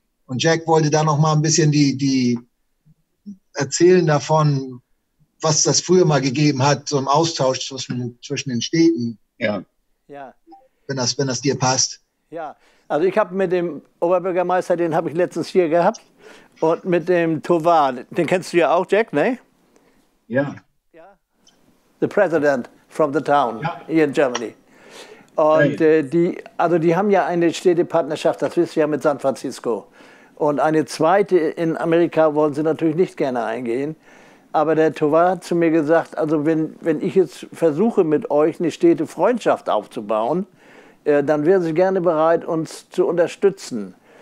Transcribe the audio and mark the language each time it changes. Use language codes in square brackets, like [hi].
[de] Und Jack wollte da noch mal ein bisschen die erzählen davon, was das früher mal gegeben hat, so im Austausch zwischen den Städten. Ja. Ja. Wenn das dir passt. Ja, also ich habe mit dem Oberbürgermeister, den habe ich letztens hier gehabt, und mit dem Tovar, den kennst du ja auch, Jack, ne? Ja. Ja. [en] The President from the town here in Germany. [de] Und die haben ja eine Städtepartnerschaft, das wisst ihr ja, mit San Francisco. Und eine zweite in Amerika wollen sie natürlich nicht gerne eingehen. Aber der Tovar hat zu mir gesagt, also wenn ich jetzt versuche, mit euch eine Städtefreundschaft aufzubauen, dann wären sie gerne bereit, uns zu unterstützen.